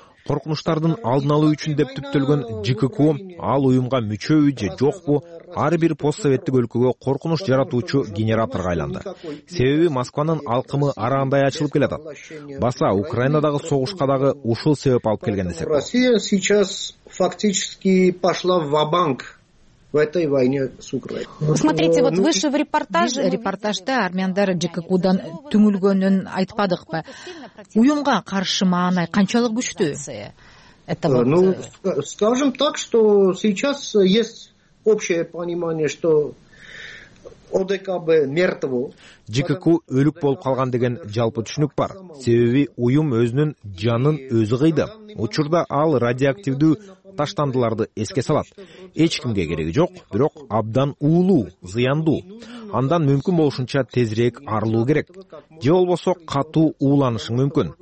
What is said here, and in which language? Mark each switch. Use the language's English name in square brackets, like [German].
[Kyrgyz] Коркунучтардын алдын алуу үчүн деп түптөлгөн ЖКК ал уюмга мүчөбү же жокпу, ар бир постсоветтик өлкөгө коркунуч жаратуучу генераторго айланды. Себеби Москванын алкымы ара андай ачылып келатат. Баса Украинадагы согушка дагы ушул себеп алып келген десек болот. [Russian] Россия сейчас фактически пошла ва-банк в этой войне с Украиной. Смотрите, вот выше в репортаже. [Kyrgyz] Репортажда армяндар ЖКК-дан түңүлгөнүн айтпадыкпы? Уюмга каршы маанай канчалык күчтүү? [Russian] Ну, скажем так, что сейчас есть общее понимание, что ОДКБ мертво. [Kyrgyz] ЖКК өлүк болуп калган деген жалпы түшүнүк бар. Себеби уюм өзүнүн жанын өзү кыйды. Учурда ал радиоактивдүү таштандыларды эске салат. Эч кимге кереги жок, бирок абдан уулуу, зыяндуу. Андан мүмкүн болушунча тезирээк арылуу керек. Же болбосо катуу ууланышың мүмкүн.